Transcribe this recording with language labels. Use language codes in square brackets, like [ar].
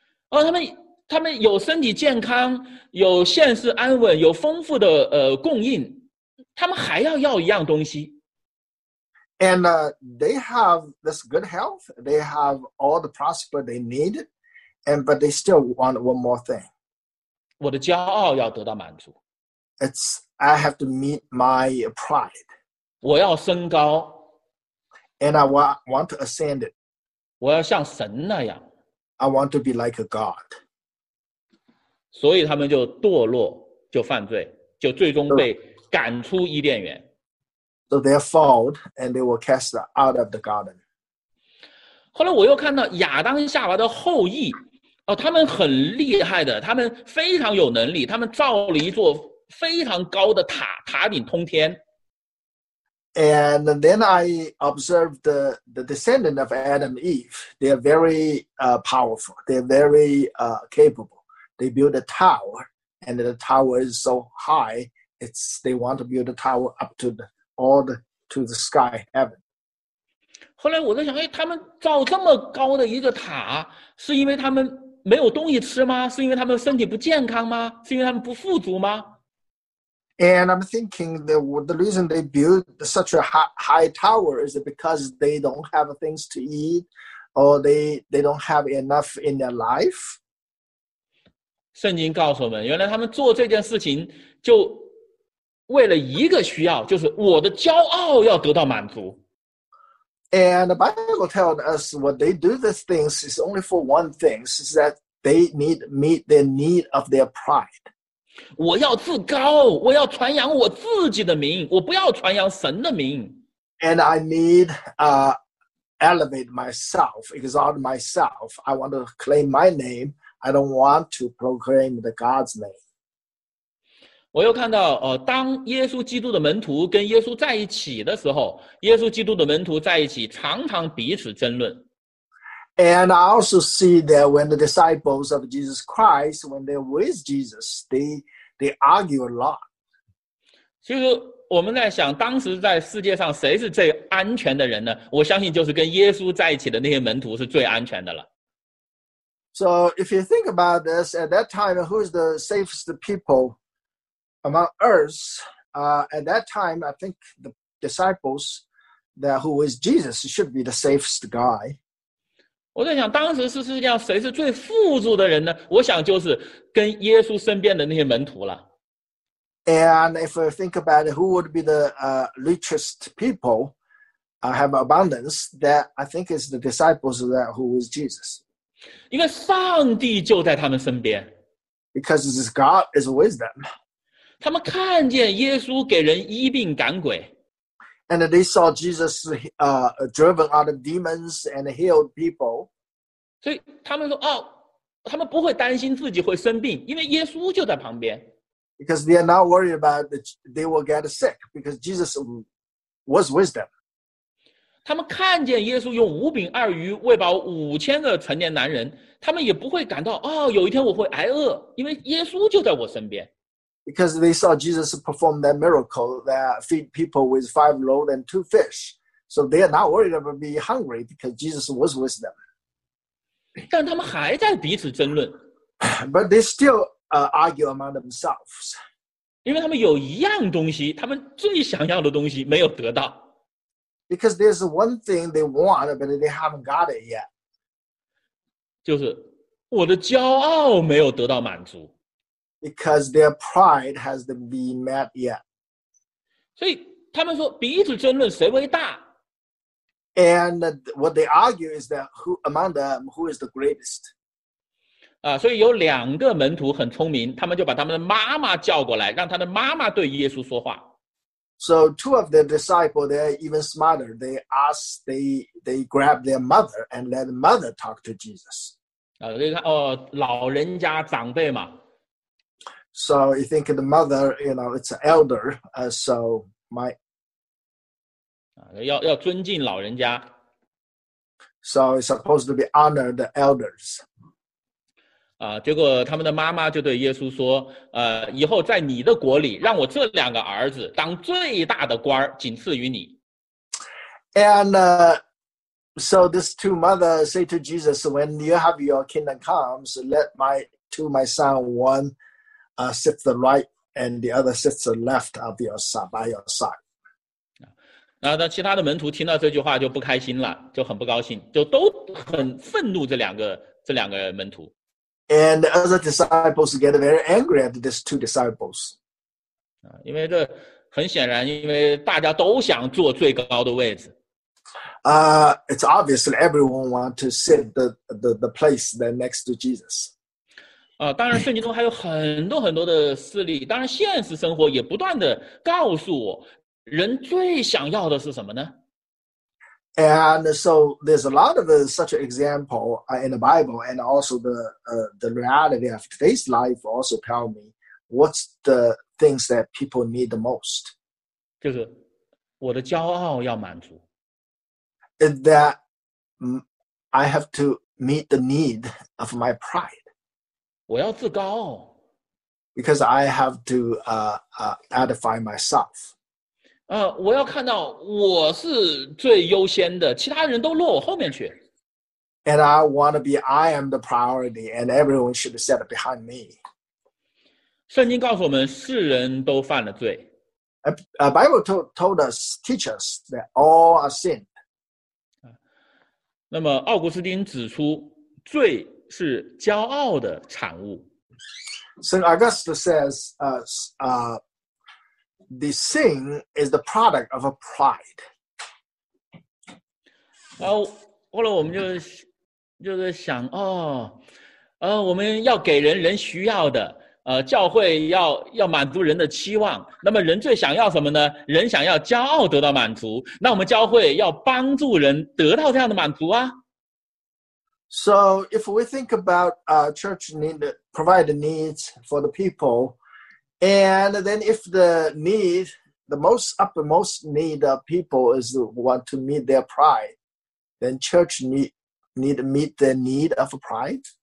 [zh] 哦，他们他们有身体健康，有现实安稳，有丰富的供应，他们还要要一样东西。 [en] And they have this good health. They have all the prosper they need, and but they still want one more thing. [zh] 我的骄傲要得到满足。 [en] It's I have to meet my pride. [zh] 我要升高。 [en] And I want to ascend it. [zh] 我要像神那样。 [en] I want to be like a god. [zh] 所以他们就堕落，就犯罪，就最终被赶出伊甸园。 [en] So they fall and they were cast out of the garden. [zh] 后来我又看到亚当夏娃的后裔，哦，他们很厉害的，他们非常有能力，他们造了一座非常高的塔，塔顶通天。 [en] And then I observed the descendant of Adam and Eve. They are very powerful. They are very capable. They build a tower, and the tower is so high. They want to build a tower up to to the sky, heaven. [zh] 后来我在想，哎，他们造这么高的一个塔，是因为他们没有东西吃吗？是因为他们身体不健康吗？是因为他们不富足吗？ [en] And I'm thinking the reason they build such a high tower is because they don't have things to eat, or they don't have enough in their life. [zh] 圣经告诉我们，原来他们做这件事情就为了一个需要，就是我的骄傲要得到满足。 [en] And the Bible tells us what they do these things is only for one thing, is that they need meet the need of their pride. [zh] 我要自高，我要传扬我自己的名，我不要传扬神的名。 [en] And I need elevate myself, exalt myself. I want to claim my name. I don't want to proclaim the God's name. [zh] 我又看到，当耶稣基督的门徒跟耶稣在一起的时候，耶稣基督的门徒在一起常常彼此争论。 [en] And I also see that when the disciples of Jesus Christ, when they're with Jesus, they argue a lot. [zh] 其实我们在想，当时在世界上谁是最安全的人呢？我相信就是跟耶稣在一起的那些门徒是最安全的了。 [en] So if you think about this, at that time, who is the safest people among us? At that time, I think the disciples that who is Jesus should be the safest guy. [zh] 我在想当时是世界上谁是最富足的人呢？我想就是跟耶稣身边的那些门徒了。 [en] And if you think about it, who would be the richest people have abundance, that I think is the disciples that who is Jesus. [zh] 因为上帝就在他们身边。 [en] Because this God is with them. [zh] 他们看见耶稣给人医病赶鬼。 [en] And they saw Jesus driven out of demons and healed people. [zh] 所以他们说，哦，他们不会担心自己会生病，因为耶稣就在旁边。 [en] Because they are not worried about they will get sick because Jesus was with them. [zh] 他们看见耶稣用五饼二鱼喂饱5000个成年男人，他们也不会感到，哦，有一天我会挨饿，因为耶稣就在我身边。 [en] Because they saw Jesus perform that miracle that feed people with 5 loaves and 2 fish. So they are not worried about being hungry because Jesus was with them. [zh] 但他们还在彼此争论。 [en] But they still argue among themselves. [zh] 因为他们有一样东西，他们最想要的东西没有得到。 [en] Because there's one thing they want, but they haven't got it yet. [zh] 就是我的骄傲没有得到满足。 [en] Because their pride hasn't been met yet. [zh] 所以他们说彼此争论谁为大。 [en] And what they argue is that who, among them, who is the greatest? [zh] 所以有两个门徒很聪明，他们就把他们的妈妈叫过来，让他的妈妈对耶稣说话。 [en] So two of the disciples, they're even smarter. They ask, they grab their mother and let the mother talk to Jesus. [zh] 老人家长辈嘛。 [en] So you think the mother, you know, it's an elder, so my... [zh] 要尊敬老人家。 [en] So it's supposed to be honored the elders. [zh] 结果他们的妈妈就对耶稣说，以后在你的国里，让我这两个儿子当最大的官，仅次于你。 [en] And so these two mothers say to Jesus, when you have your kingdom comes, let my to my son, one sits the right and the other sits the left of your side, by your side. [zh] 那其他的门徒听到这句话就不开心了，就很不高兴，就都很愤怒这两个门徒。 [en] And the other disciples get very angry at these two disciples. [zh] 因为这很显然，因为大家都想坐最高的位置。 [en] It's obviously everyone wants to sit the place next to Jesus. [zh] 当然圣经中还有很多很多的事例，当然现实生活也不断的告诉我。人最想要的是什么呢？ [en] And so there's a lot of such example in the Bible, and also the reality of today's life also tell me what's the things that people need the most. [zh] 就是我的骄傲要满足。 [en] That I have to meet the need of my pride. [zh] 我要自高。 [en] Because I have to edify myself. [zh] 我要看到我是最优先的，其他人都落我后面去。 [en] And I want to be, I am the priority, and everyone should set behind me. [zh] 圣经告诉我们，世人都犯了罪。 [en] Bible told us, teach us that all are sinned. [zh] 那么奥古斯丁指出，罪是骄傲的产物。 [en] Saint Augustine says, the sin is the product of a pride. [zh] 后来我们就是想我们要给人需要的，教会要满足人的期望。那么人最想要什么呢？人想要骄傲得到满足。那我们教会要帮助人得到这样的满足啊。 [en] So if we think about church need to provide the needs for the people. And then if the most need of people is want to meet their pride, then church need to meet their need of pride?